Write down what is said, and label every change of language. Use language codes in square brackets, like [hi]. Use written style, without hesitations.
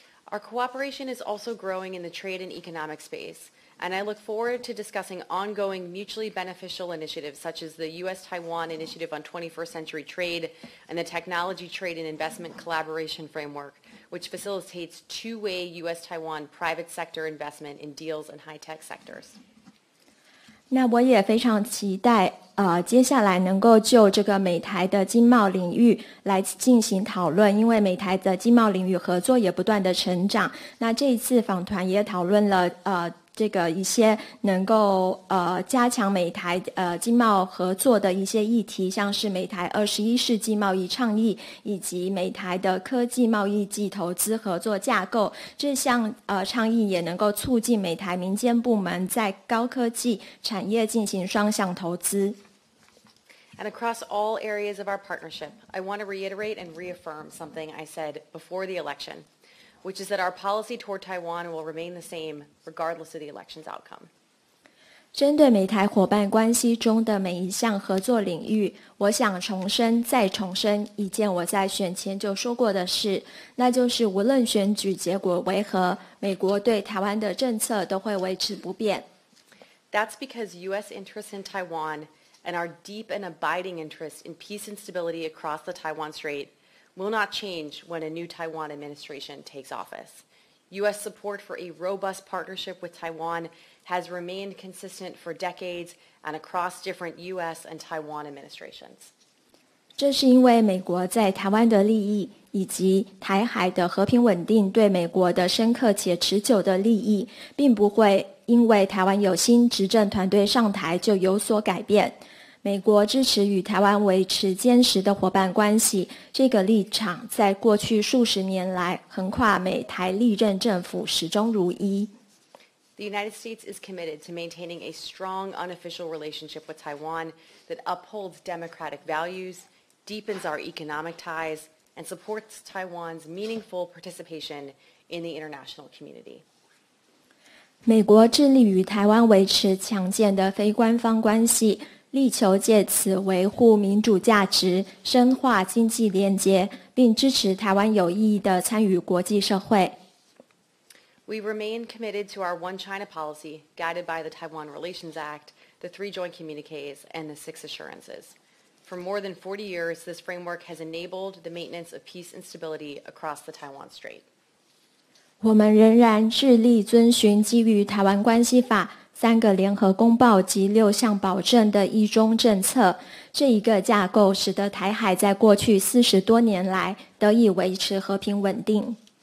[en] Our cooperation is also growing in the trade and economic space, and I look forward to discussing ongoing mutually beneficial initiatives such as the U.S.-Taiwan Initiative on 21st Century Trade and the Technology Trade and Investment Collaboration Framework, which facilitates two-way U.S.-Taiwan private sector investment in deals and high-tech sectors. [zh] 那我也非常期待接下来能够就这个美台的经贸领域来进行讨论，因为美台的经贸领域合作也不断的成长。那这一次访团也讨论了这个一些能够加强美台经贸合作的一些议题，像是美台21世纪贸易倡议以及美台的科技贸易暨投资合作架构，这项倡议也能够促进美台民间部门在高科技产业进行双向投资。 [en] And across all areas of our partnership, I want to reiterate and reaffirm something I said before the election. Which is that our policy toward Taiwan will remain the same regardless of the election's outcome. [zh] 针对美台伙伴关系中的每一项合作领域，我想重申再重申一件我在选前就说过的事，那就是无论选举结果为何，美国对台湾的政策都会维持不变。 [en] That's because U.S. interests in Taiwan and our deep and abiding interest in peace and stability across the Taiwan Strait will not change when a new Taiwan administration takes office. U.S. support for a robust partnership with Taiwan has remained consistent for decades and across different U.S. and Taiwan administrations. [zh] 这是因为美国在台湾的利益以及台海的和平稳定对美国的深刻且持久的利益，并不会因为台湾有新执政团队上台就有所改变。美国支持与台湾维持坚实的伙伴关系，这个立场在过去数十年来横跨美台历任政府始终如一。 [en] The United States is committed to maintaining a strong unofficial relationship with Taiwan that upholds democratic values, deepens our economic ties, and supports Taiwan's meaningful participation in the international community. [zh] 美国致力与台湾维持强健的非官方关系，力求借此维护民主价值，深化经济连结，并支持台湾有意义的参与国际社会。 [en] We remain committed to our One China policy, guided by the Taiwan Relations Act, the three joint communiques, and the six assurances. For more than 40 years, this framework has enabled the maintenance of peace and stability across the Taiwan Strait. [zh] 我们仍然致力遵循基于台湾关系法、三个联合公报及六项保证的一中政策，这一个架构使得台海在过去40多年来得以维持和平稳定。